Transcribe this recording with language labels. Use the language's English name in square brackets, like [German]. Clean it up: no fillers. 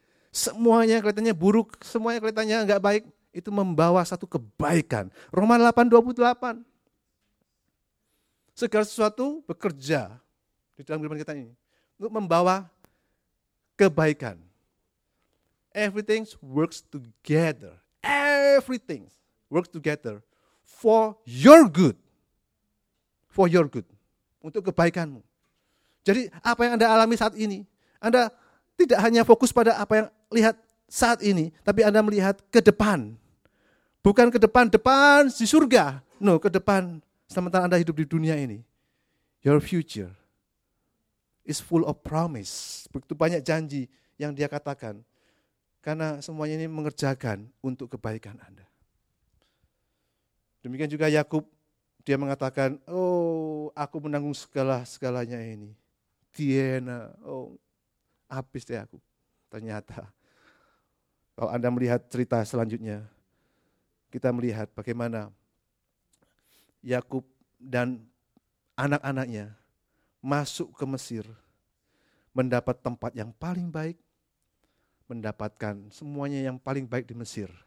[Indonesian] Semuanya kelihatannya buruk, semuanya kelihatannya enggak baik, itu membawa satu kebaikan. Roma 8:28. Segala sesuatu bekerja di dalam kehidupan kita ini untuk membawa kebaikan. [English] Everything works together. Everything works together for your good. For your good. [Indonesian] Untuk kebaikanmu. Jadi apa yang Anda alami saat ini, Anda tidak hanya fokus pada apa yang lihat saat ini, tapi Anda melihat ke depan. Bukan ke depan-depan di surga. No, ke depan sementara Anda hidup di dunia ini. [English] Your future is full of promise. [Indonesian] Begitu banyak janji yang dia katakan. Karena semuanya ini mengerjakan untuk kebaikan Anda. Demikian juga Yakub, dia mengatakan, oh, aku menanggung segala-segalanya ini. Tiena, oh, habis deh aku. Ternyata, kalau Anda melihat cerita selanjutnya, kita melihat bagaimana Yakub dan anak-anaknya masuk ke Mesir, mendapat tempat yang paling baik, mendapatkan semuanya yang paling baik di Mesir.